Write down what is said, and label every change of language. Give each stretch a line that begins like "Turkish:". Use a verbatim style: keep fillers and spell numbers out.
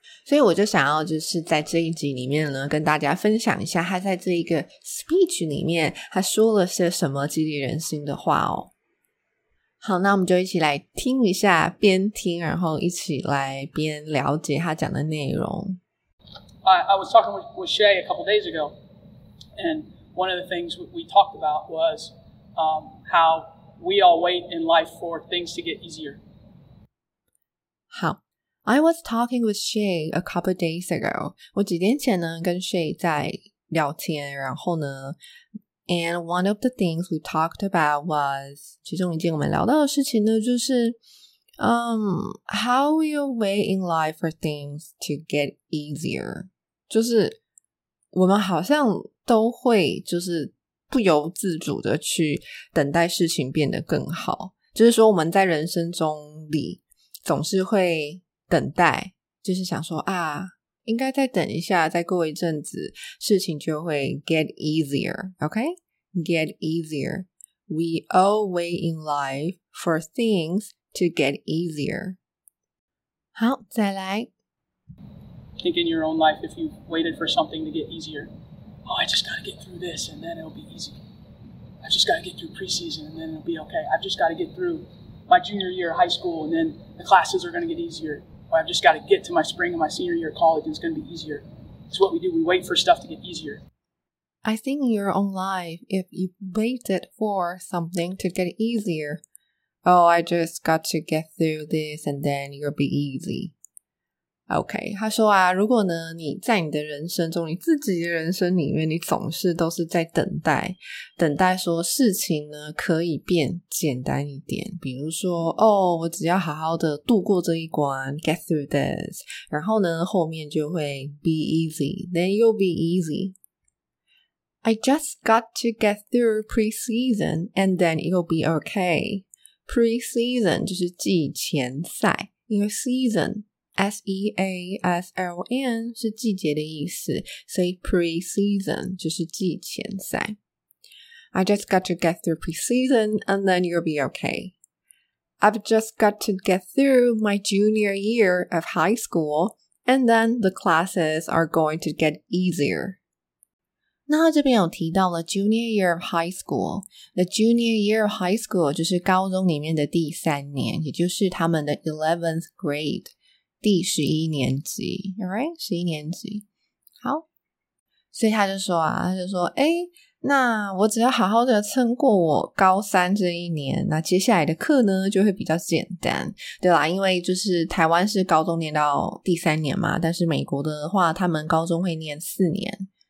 Chinese: 所以我就想要就是在这一集里面呢跟大家分享一下他在这一个 speech 里面他说了些什么激励人心的话哦。好，那我们就一起来听一下，边听然后一起来边了解他讲的内容。
English: I, I was talking with, with Shay a couple days ago, and one of the things we talked about was um, how we all wait in life for things to get easier.
Chinese: 好。
English: I was talking with Shay a couple days ago.
Chinese: 我几天前呢跟 Shay 在聊天，然后呢
English: and one of the things we talked about was
Chinese: 其中一件我们聊到的事情呢就是嗯、
English: um, how you wait in life for things to get easier.
Chinese: 就是我们好像都会就是不由自主的去等待事情变得更好，就是说我们在人生中里总是会等待，就是想说啊应该再等一下，再过一阵子事情就会
English: get easier. OK? Get easier. We all wait in life for things to get easier.
Chinese: 好，再来。
English: Think in your own life if you've waited for something to get easier. Oh, I just got to get through this and then it'll be easy. I've just got to get through preseason and then it'll be okay. I've just got to get through my junior year of high school and then the classes are going to get easier. I've just got to get to my spring and my senior year of college, and it's going to be easier. It's what we do. We wait for stuff to get easier. I think in your own life, if you waited for something to get easier, oh, I just got to get through this, and then it'll be easy.
Chinese: OK, 他说啊，如果呢你在你的人生中，你自己的人生里面，你总是都是在等待，等待说事情呢可以变简单一点。比如说，哦，我只要好好的度过这一关 ，
English: get through this，
Chinese: 然后呢后面就会
English: be easy，then you'll be easy. I just got to get through preseason and then it'll be okay.
Chinese: Pre-season 就是季前赛，因为 season S E A S L N 是季节的意思，所以 pre-season 就是季前赛。
English: I just got to get through pre-season and then you'll be okay. I've just got to get through my junior year of high school and then the classes are going to get easier.
Chinese: 那这边有提到了 junior year of high school.
English: The junior year of high school
Chinese: 就是高中里面的第三年，也就是他们的
English: eleventh grade.
Chinese: 第十一年级 ，right？ 十一年级，好，所以他就说啊，他就说，哎，那我只要好好的撑过我高三这一年，那接下来的课呢就会比较简单，对啦，因为就是台湾是高中念到第三年嘛，但是美国的话，他们高中会念四年。